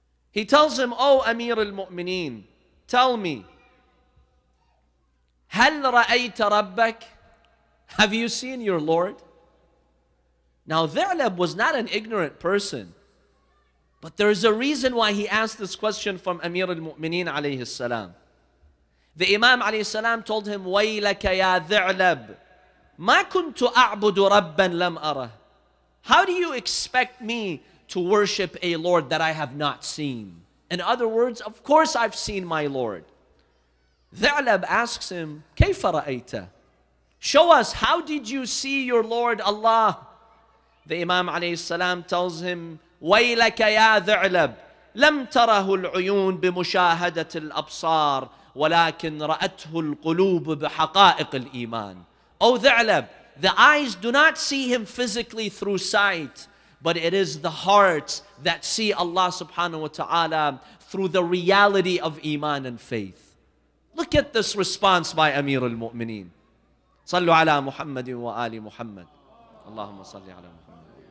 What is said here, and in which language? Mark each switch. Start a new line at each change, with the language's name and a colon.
English: He tells him, "Oh Amir al-Mu'mineen, tell me,
Arabic: هل رأيت ربك?
English: Have you seen your Lord?" Now Thi'lab was not an ignorant person, but there is a reason why he asked this question from Amir al-Mu'mineen alayhi salam. The Imam alayhi salam told him,
Arabic: وَيْلَكَ يَا ذِعْلَبْ مَا كُنْتُ أَعْبُدُ رَبًّا لَمْ أَرَهْ.
English: How do you expect me to worship a Lord that I have not seen? In other words, of course I've seen my Lord. Thi'lab asks him,
Arabic: كَيْفَ رَأَيْتَ.
English: Show us, how did you see your Lord Allah? The Imam alayhi salam tells him,
Arabic: وَيْلَكَ يَا ذِعْلَبْ لَمْ تَرَهُ الْعُيُونَ بِمُشَاهَدَةِ الْأَبْصَارِ وَلَكِنْ رَأَتْهُ الْقُلُوبُ بِحَقَائِقِ الْإِيمَانِ.
English: Oh Thi'lab, the eyes do not see him physically through sight, but it is the hearts that see Allah subhanahu wa ta'ala through the reality of iman and faith. Look at this response by Amir al-Mu'mineen.
Arabic: صَلُّ عَلَى مُحَمَّدٍ وَآلِ مُحَمَّدٍ. اللهم صلي على محمد.